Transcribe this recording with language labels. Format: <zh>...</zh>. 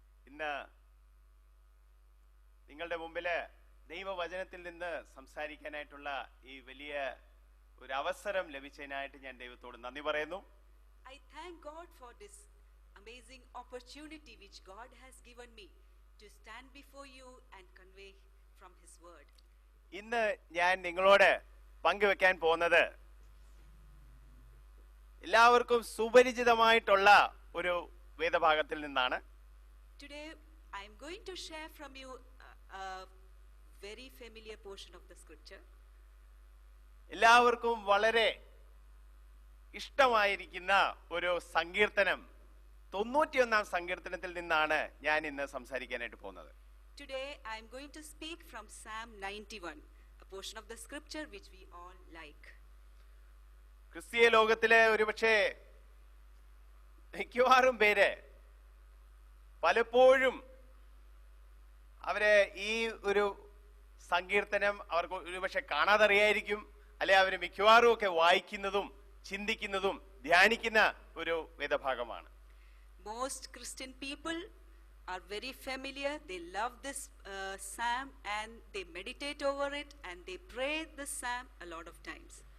<ml>ഇന്ന് നിങ്ങളുടെ മുമ്പില് ദൈവവചനത്തിൽ നിന്ന് സംസാരിക്കാനായിട്ടുള്ള ഈ വലിയ ഒരു അവസരം ലഭിച്ചതിനായിട്ട് ഞാൻ ദൈവത്തോട് നന്ദി പറയുന്നു.</ml> <en>I thank God for this amazing opportunity which God has given me to stand before you and convey from his word.</en> <ml>ഇന്ന് ഞാൻ നിങ്ങളോട് പങ്കുവെക്കാൻ പോകുന്നത് എല്ലാവർക്കും സുപരിചിതമായിട്ടുള്ള ഒരു വേദഭാഗത്തിൽ നിന്നാണ്.</ml> <en>Today I am going to share from you a very familiar portion of the scripture.</en> <ml>എല്ലാവർക്കും വളരെ ഇഷ്ടമായിരിക്കുന്ന ഒരു സങ്കീർത്തനം 91-ാം സങ്കീർത്തനത്തിൽ നിന്നാണ് ഞാൻ ഇന്ന് സംസാരിക്കാനായിട്ട് പോകുന്നത്.</ml> <en>Today I am going to speak from Psalm 91, a portion of the scripture which we all like.</en> <ml>ക്രിസ്തീയ ലോകത്തിലെ ഒരുപക്ഷേ മിക്കവാറും പേര് പലപ്പോഴും അവരെ ഈ ഒരു സങ്കീർത്തനം അവർക്ക് ഒരുപക്ഷെ കാണാതറിയായിരിക്കും, അല്ലെ? അവര് മിക്കവാറും ഒക്കെ വായിക്കുന്നതും ചിന്തിക്കുന്നതും ധ്യാനിക്കുന്ന ഒരു വേദഭാഗമാണ്.</ml> <en>Most Christian people are very familiar, they love this psalm and they meditate over it and they pray the psalm a lot of times.</en>